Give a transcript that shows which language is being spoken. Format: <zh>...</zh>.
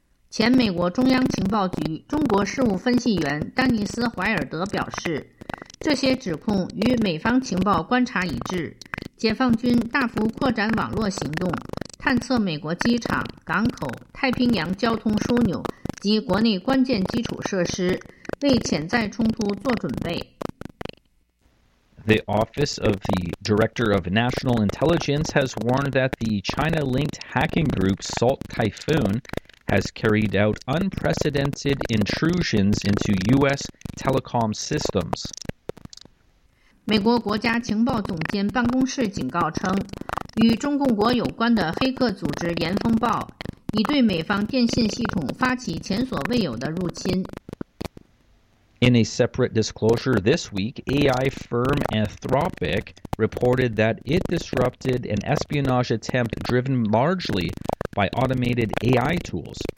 <zh>前美国中央情报局中国事务分析员丹尼斯·怀尔德表示，这些指控与美方情报观察一致，解放军大幅扩展网络行动，探测美国机场、港口、太平洋交通枢纽及国内关键基础设施，为潜在冲突做准备。</zh> <en>The Office of the Director of National Intelligence has warned that the China-linked hacking group Salt Typhoon has carried out unprecedented intrusions into U.S. telecom systems.</en> <zh>美国国家情报总监办公室警告称，与中共国有关的黑客组织严风暴已对美方电信系统发起前所未有的入侵。</zh> <en>In a separate disclosure this week, AI firm Anthropic reported that it disrupted an espionage attempt driven largely by automated AI tools.</en>